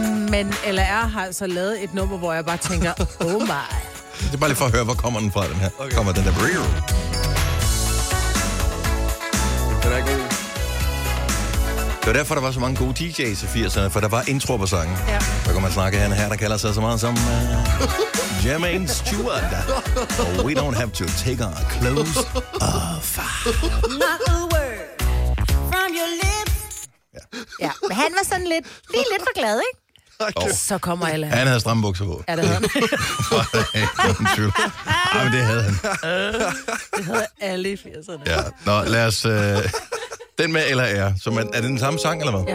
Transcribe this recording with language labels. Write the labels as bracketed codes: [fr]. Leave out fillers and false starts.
[da] Men LR har altså lavet et nummer, hvor jeg bare tænker, [en] oh my. [da] Det er bare lige for at høre, hvor kommer den fra, den her. Okay. Kommer den der brio? Den er god. Det var derfor, der var så mange gode DJ's i 80'erne, for der var intro på sangen. Ja. Hvor kan man snakke her, der kalder sig så meget som... Jermaine Stewart. [en] Oh, we don't have to take our clothes off. Not a word from your lips. [da] Ja, men han var sådan lidt, lige lidt for glad, ikke? Så kommer alle. Han havde stramme bukser på. Er det han? Nej, det havde han. Det havde alle i 80'erne. Ja. Nå, lad os... den med eller er. Så man, er det den samme sang, eller hvad?